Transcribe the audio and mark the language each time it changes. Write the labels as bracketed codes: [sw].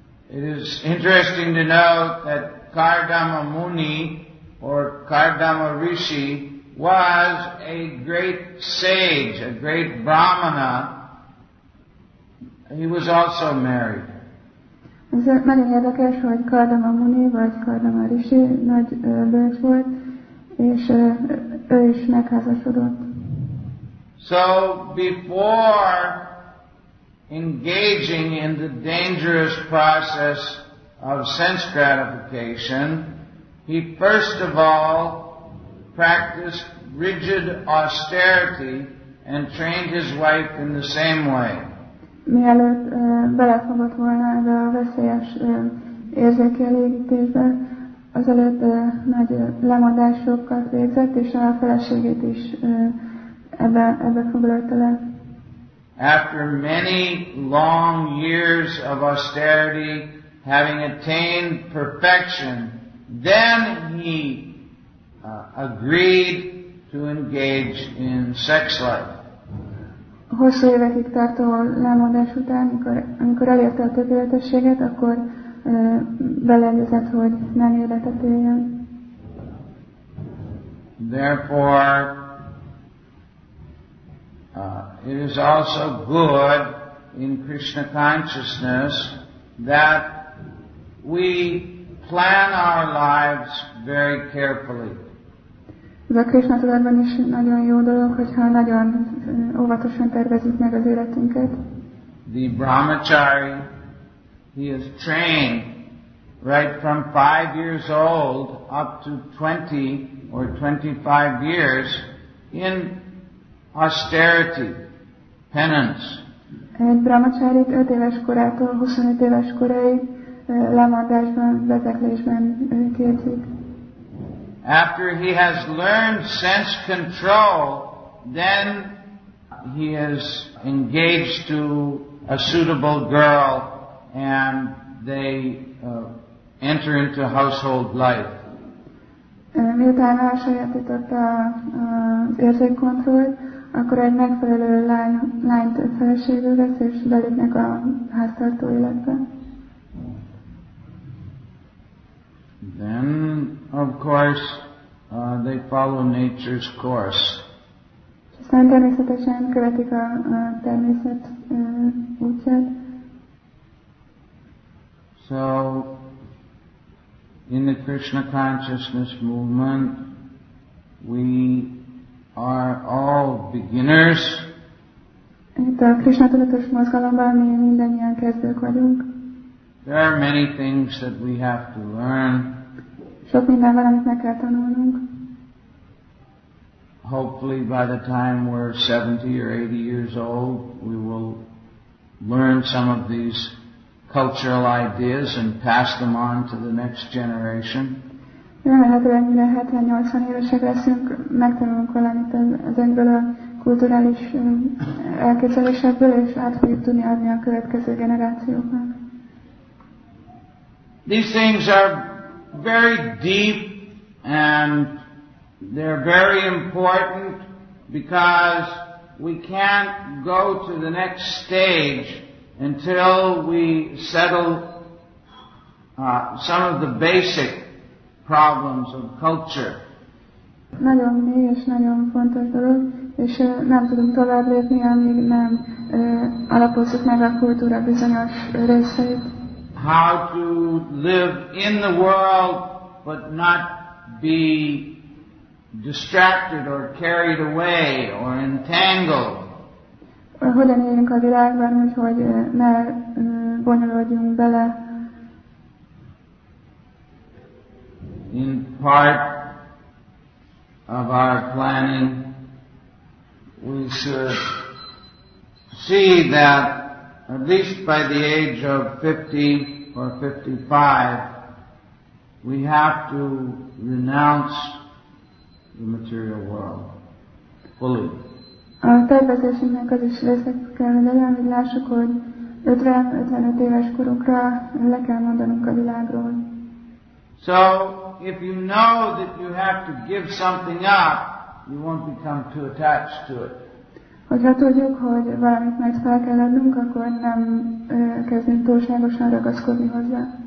[en] It is interesting to know that Kardama Muni or Kardama Rishi was a great sage, a great brahmana. He was also married. [hu] Ez nagyon érdekes, hogy Kardama Muni vagy Kardama Rishi nagy bölcs volt, és ő is megházasodott. [en] So before engaging in the dangerous process of sense gratification, he first of all practiced rigid austerity and trained his wife in the same way. [hu] Mielőtt belefogott volna ebbe a veszélyes érzékelégítésbe, azelőtt nagy lemondásokat végzett, és a feleségét is ebbe foglalta le. [en] After many long years of austerity, having attained perfection, then he agreed to engage in sex life. [hu] Hosszú évekig tartó lemondás után, amikor elérte a tökéletességet, akkor beleegyezett, hogy nem életet éljen. [en] Therefore, it is also good in Krishna consciousness that we plan our lives very carefully. [hu] Ez a Krishna tudatban is nagyon jó dolog, hogyha nagyon óvatosan tervezik meg az életünket. [en] The brahmachari, he is trained right from 5 years old up to 20 or 25 years in austerity, penance. [hu] Egy brahmacharit 5 éves korától 25 éves koráig lemondásban, vezeklésben képzik. [en] After he has learned sense control, then he is engaged to a suitable girl and they enter into household life. [hu] Miután elsajátított az érzékkontrollt, akkor egy megfelelő lányt feleségül vesz, és belépnek a háztartó életbe. [en] Then, of course, they follow nature's course. [hu] Aztán természetesen követik a természet útját. [en] So, in the Krishna consciousness movement, we are all beginners. [hu] Itt a Krishna tudatos mozgalomban mi mindannyian kezdők vagyunk. [en] There are many things that we have to learn. [hu] Sok minden valamit meg kell tanulnunk. [en] Hopefully by the time we're 70 or 80 years old, we will learn some of these cultural ideas and pass them on to the next generation. [hu] Remélhetően, mire 70-80 évesek leszünk, megtanulunk valamit ezekből a kulturális elképzelésekből, és át fogjuk tudni adni a következő generációknak. [en] These things are very deep and They're very important because we can't go to the next stage until we settle some of the basic problems of culture. [hu] Nagyon mély és nagyon fontos dolog, és nem tudunk tovább lépni, amíg nem alapozzuk meg a kultúra bizonyos részeit. [en] How to live in the world but not be distracted or carried away or entangled. [hu] Hogyan élünk a világban, hogy ne bonyolódjunk bele. [en] In part of our planning, we should see that at least by the age of 50 or 55, we have to renounce the material world fully. [hu] A tervezésünknek az is részek kell legyen, hogy lássuk, hogy 50-55 éves korunkra le kell mondanunk a világról. [en] So, if you know that you have to give something up, you won't become too attached to it. [hu] Hogyha tudjuk, hogy valamit majd fel kell adnunk, akkor nem kezdünk túlságosan ragaszkodni hozzá.